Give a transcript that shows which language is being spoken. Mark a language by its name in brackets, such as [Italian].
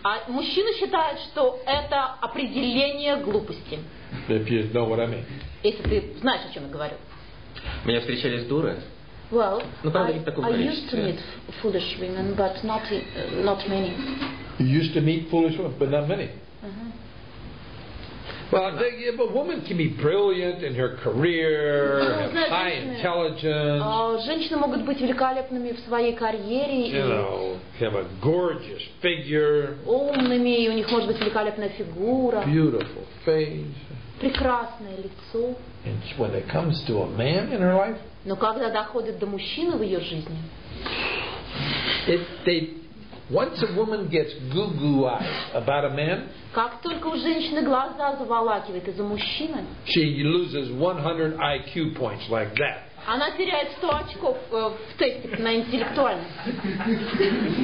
[Russian] А мужчины считают, что это определение глупости. [English] If you know what I mean. [Russian] Если ты знаешь, о чем я говорю. Меня встречались дуры. [English] Well, [Russian] ну, правда, [English] I used to meet foolish women, but not many. You used to meet foolish women, but not many. Well, they, yeah, but a woman can be brilliant in her career, high intelligence. [Russian] Женщины могут быть великолепными в своей карьере. [English] You know, have a gorgeous figure. [Russian] Умными, и у них может быть великолепная фигура. [English] Beautiful face. [Russian] Прекрасное лицо. [English] And when it comes to a man in her life? [Russian] Но когда доходит до мужчины в ее жизни? [English] Once a woman gets goo-goo eyes about a man, [Russian] как только у женщины глаза заволакивает из-за мужчины, [English] she loses 100 IQ points like that. [Russian] Она теряет 100 очков в тесте на интеллектуальность.